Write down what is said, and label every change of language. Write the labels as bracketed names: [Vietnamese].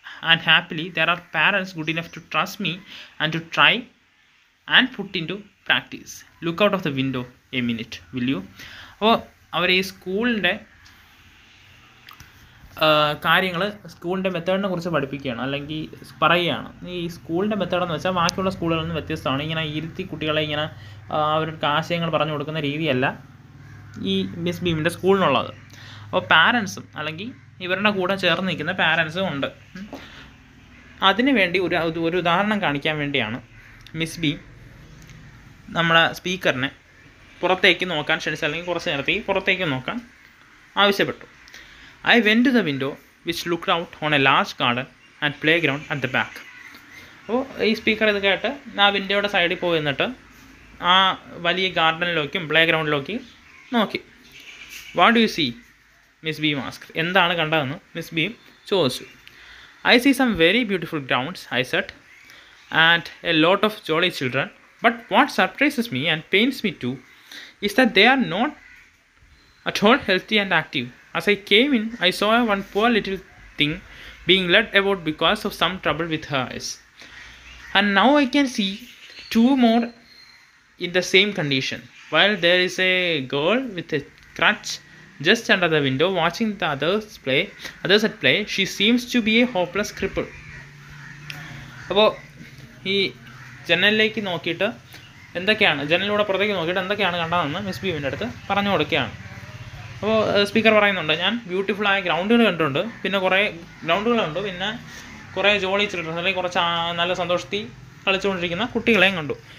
[English] And happily there are parents good enough to trust me and to try and put into practice. Look out of the window a minute, will you? [Malayalam] അപ്പോൾ അവർ ഈ സ്കൂളിൻ്റെ കാര്യങ്ങൾ, സ്കൂളിൻ്റെ മെത്തേഡിനെ കുറിച്ച് പഠിപ്പിക്കുകയാണ് അല്ലെങ്കിൽ പറയുകയാണ്. ഈ സ്കൂളിൻ്റെ മെത്തേഡെന്ന് വെച്ചാൽ ബാക്കിയുള്ള സ്കൂളുകളിൽ നിന്ന് വ്യത്യസ്തമാണ്. ഇങ്ങനെ ഇരുത്തി കുട്ടികളെ ഇങ്ങനെ അവർക്ക് ആശയങ്ങൾ പറഞ്ഞു കൊടുക്കുന്ന രീതിയല്ല ഈ മിസ് ബീമിൻ്റെ സ്കൂളിനുള്ളത്. അപ്പോൾ പാരൻസും അല്ലെങ്കിൽ ഇവരുടെ കൂടെ ചേർന്ന് നിൽക്കുന്ന പാരൻസും ഉണ്ട്. അതിനു വേണ്ടി ഒരു ഉദാഹരണം കാണിക്കാൻ വേണ്ടിയാണ് മിസ് ബീം നമ്മളെ സ്പീക്കറിനെ പുറത്തേക്ക് നോക്കാൻ ക്ഷണിച്ചത്, അല്ലെങ്കിൽ കുറച്ച് നേരത്തേക്ക് പുറത്തേക്ക് നോക്കാൻ ആവശ്യപ്പെട്ടു. [English] I went to the window which looked out on a large garden and playground at the back. [Malayalam] അപ്പോൾ ഈ സ്പീക്കർ ഇത് കേട്ട് ആ വിൻഡോയുടെ സൈഡിൽ പോയി നിന്നിട്ട് ആ വലിയ ഗാർഡനിലേക്കും പ്ലേ ഗ്രൗണ്ടിലേക്കും നോക്കി. [English] What do you see, Miss Beam asked. [Malayalam] എന്താണ് കണ്ടതെന്ന് മിസ് ബീം ചോദിച്ചു. [English] I see some very beautiful grounds, I said, and a lot of jolly children. But what surprises me and pains me too is that they are not at all healthy and active. As I came in, I saw one poor little thing being led about because of some trouble with her eyes. And now I can see two more in the same condition. While there is a girl with a crutch just under the window watching the others at play, she seems to be a hopeless cripple. [Malayalam] അപ്പോൾ ഈ ജനലിലേക്ക് നോക്കിയിട്ട് എന്തൊക്കെയാണ്, ജനലിലൂടെ പുറത്തേക്ക് നോക്കിയിട്ട് എന്തൊക്കെയാണ് കണ്ടതെന്ന് miss ബീവിൻ്റെ അടുത്ത് പറഞ്ഞു കൊടുക്കുകയാണ്. അപ്പോൾ സ്പീക്കർ പറയുന്നുണ്ട്, ഞാൻ ബ്യൂട്ടിഫുള്ളായ ഗ്രൗണ്ടുകൾ കണ്ടിട്ടുണ്ട്, പിന്നെ കുറേ ഗ്രൗണ്ടുകളുണ്ട്, പിന്നെ കുറേ ജോളി ചിൽഡ്രൻ അല്ലെങ്കിൽ കുറച്ച് നല്ല സന്തോഷത്തിൽ കളിച്ചുകൊണ്ടിരിക്കുന്ന കുട്ടികളെയും കണ്ടു.